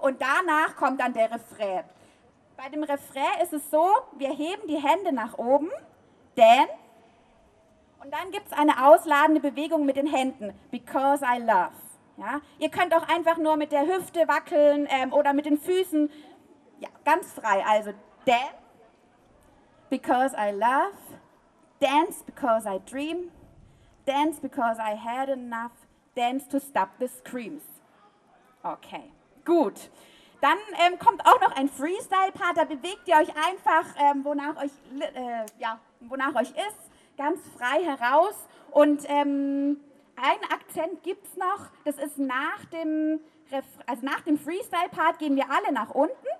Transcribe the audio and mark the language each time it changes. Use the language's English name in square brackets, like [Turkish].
[German] Und danach kommt dann der Refrain. Bei dem Refrain ist es so, wir heben die Hände nach oben, denn, und dann gibt es eine ausladende Bewegung mit den Händen, [English] because I love. [German] Ja? Ihr könnt auch einfach nur mit der Hüfte wackeln oder mit den Füßen, ja, ganz frei. Also, denn, [English] because I love, dance because I dream, dance because I had enough, dance to stop the screams. [German] Okay, gut. Dann kommt auch noch ein Freestyle-Part, da bewegt ihr euch einfach, wonach euch ist, ganz frei heraus. Und einen Akzent gibt es noch, das ist nach dem Freestyle-Part gehen wir alle nach unten.